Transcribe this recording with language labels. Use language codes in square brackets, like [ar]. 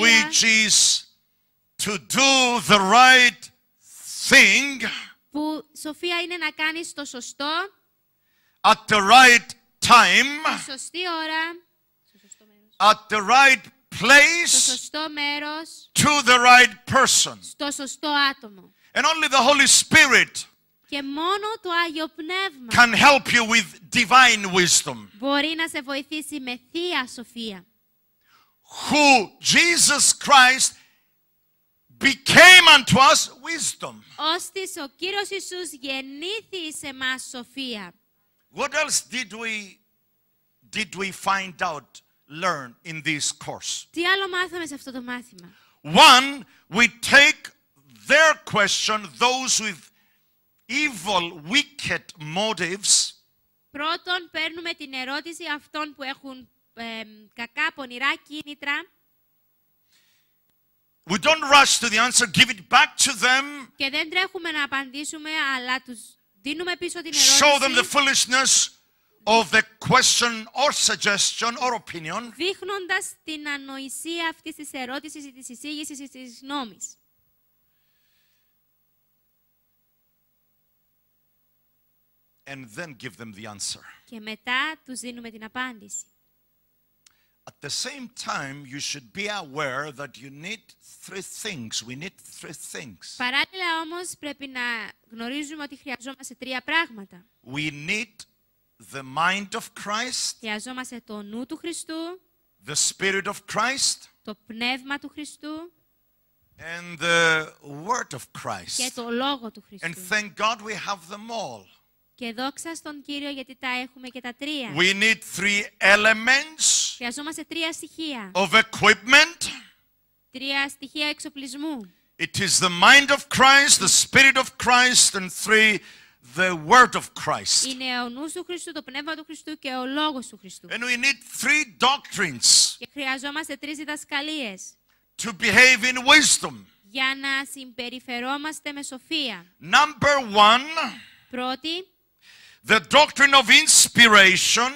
[en] Which is to do the right thing. [el] Που σοφία είναι να κάνεις το σωστό. [en] At the right time. [el] Σωστή ώρα. [en] At the right place. [el] Στο σωστό μέρος. [en] To the right person. [el] Στο σωστό άτομο. [en] And only the Holy Spirit. [el] Και μόνο το Άγιο Πνεύμα. [en] Can help you with divine wisdom. [el] Μπορεί να σε βοηθήσει με θεία σοφία. [en] Who Jesus Christ became unto us wisdom. [el] Ώστις ο Κύριος Ιησούς γεννήθη εις εμάς σοφία. [en] What else did we find out, learn in this course? [el] Τι άλλο μάθαμε σε αυτό το μάθημα? [en] One, we take their question, those with evil, wicked motives. [el] Πρώτον, παίρνουμε την ερώτηση αυτών που έχουν κακά, πονηρά κίνητρα. [en] We don't rush to the answer, give it back to them. [el] Και δεν τρέχουμε να απαντήσουμε, αλλά τους δίνουμε πίσω την ερώτηση. [en] Show them the foolishness of the question or suggestion or opinion. [el] Δείχνοντας την ανοησία αυτής της ερώτησης ή της εισήγησης ή της γνώμης. [en] And then give them the answer. [el] Και μετά τους δίνουμε την απάντηση. [en] At the same time, you should be aware that you need three things. We need three things. [el] Παράλληλα όμως πρέπει να γνωρίζουμε ότι χρειαζόμαστε τρία πράγματα. [en] We need the mind of Christ. [el] Χρειαζόμαστε το νου του Χριστού. [en] The spirit of Christ. [el] Το πνεύμα του Χριστού. [en] And the word of Christ. [el] Και το λόγο του Χριστού. [en] And thank God we have them all. [el] Και δόξα στον Κύριο γιατί τα έχουμε και τα τρία. [en] We need three elements. [el] Χρειαζόμαστε τρία στοιχεία. [en] Of equipment. [el] Τρία στοιχεία εξοπλισμού. [en] It is the mind of Christ, the spirit of Christ, and three, the word of Christ. [el] Είναι ο νους του Χριστού, το πνεύμα του Χριστού και ο λόγος του Χριστού. [en] And we need three doctrines. [el] Και χρειαζόμαστε τρεις διδασκαλίες. [en] To behave in wisdom. [el] Για να συμπεριφερόμαστε με σοφία. [en] Number one. [el] Πρώτη. [en] The doctrine of inspiration.